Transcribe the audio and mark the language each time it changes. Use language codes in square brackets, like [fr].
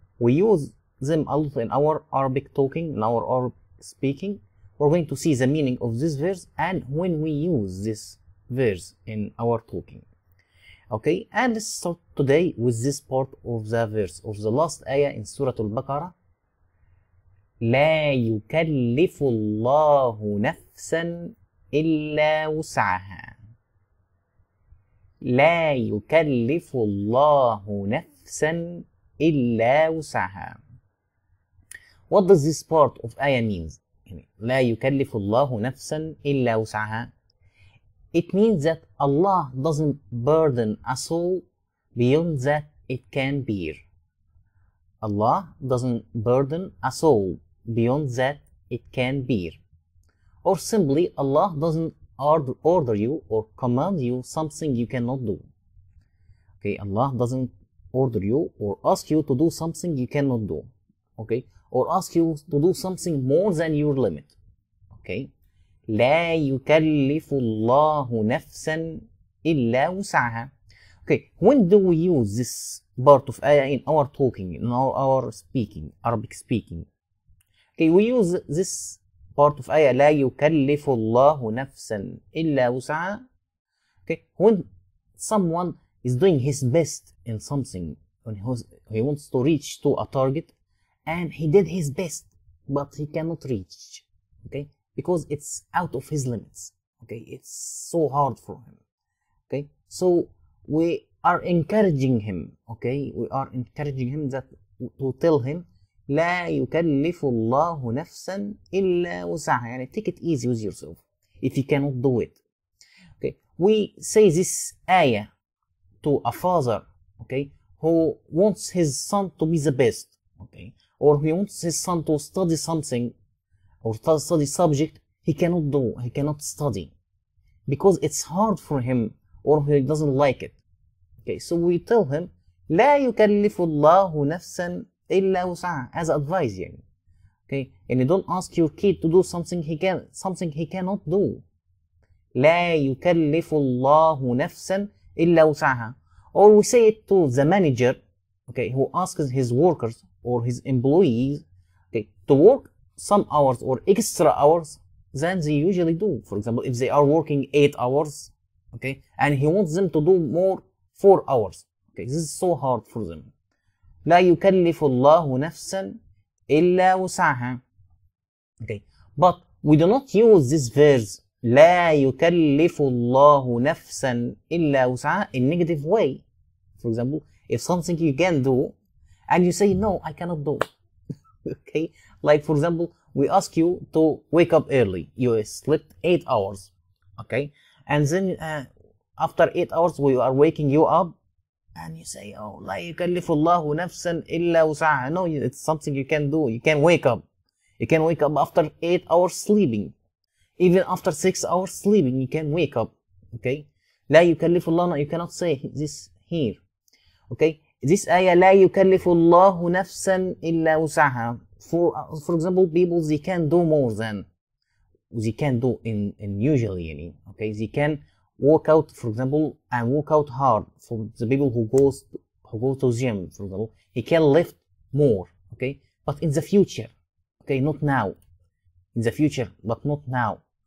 [en] We use them a lot in our Arabic talking, in our Arabic speaking. We're going to see the meaning of this verse and when we use this verse in our talking. Okay, and let's start today with this part of the verse of the last ayah in Surah Al-Baqarah. [ar] لا يكلف الله نفسا إلا وسعها. لا يكلف الله نفسا إلا وسعها. [en] What does this part of ayah means? [ar] لا يكلف الله نفسا إلا وسعها. [en] It means that Allah doesn't burden a soul beyond that it can bear. Allah doesn't burden a soul beyond that it can bear. Or simply, Allah doesn't order you or command you something you cannot do. Okay, Allah doesn't order you or ask you to do something you cannot do. Okay, or ask you to do something more than your limit. Okay. [ar] لا يكلف الله نفسا إلا وسعها. [en] Okay, when do we use this part of ayah in our talking, in our speaking, Arabic speaking? Okay, we use this part of ayah [ar] لا يكلف الله نفسا إلا وسعها. [en] Okay, when someone is doing his best in something, when he wants to reach to a target, and he did his best, but he cannot reach. Okay. Because it's out of his limits. Okay, it's so hard for him. Okay, so we are encouraging him. Okay, we are encouraging him that to tell him, [ar] لا يكلف الله نفسا إلا وسعها. [en] يعني take it easy with yourself if you cannot do it. Okay, we say this ayah to a father. Okay, who wants his son to be the best. Okay, or he wants his son to study something. Or study subject he cannot do, he cannot study because it's hard for him or he doesn't like it. Okay, so we tell him [ar] لا يكلف الله نفسا إلا وسعا [en] as advising. Okay, and you don't ask your kid to do something he cannot do. [ar] لا يكلف الله نفسا إلا وسعا. [en] Or we say it to the manager, okay, who asks his workers or his employees, okay, to work some hours or extra hours than they usually do. For example, if they are working 8 hours, okay, and he wants them to do more 4 hours. Okay, this is so hard for them. [ar] لا يكلف الله نفسا إلا وسعها. [en] Okay, but we do not use this verse [ar] لا يكلف الله نفسا إلا وسعها [en] in negative way. For example, if something you can do and you say no, I cannot do. Okay, like for example, we ask you to wake up early. You slept 8 hours, okay, and then after 8 hours we are waking you up, and you say, "Oh, [ar] لا يكلف الله نفسا إلا وسعها." [en] No, it's something you can do. You can wake up. You can wake up after 8 hours sleeping, even after 6 hours sleeping, you can wake up. Okay, [ar] لا يكلف الله. [en] No, you cannot say this here. Okay. This ayah, [ar] لا يكلف الله نفسا إلا وسعها. [en] For example, people, they can do more than they can do in usually. Any, okay, they can work out, for example, and work out hard. For the people who go to gym, for example, he can lift more. Okay, but in the future, okay, not now. In the future, but not now.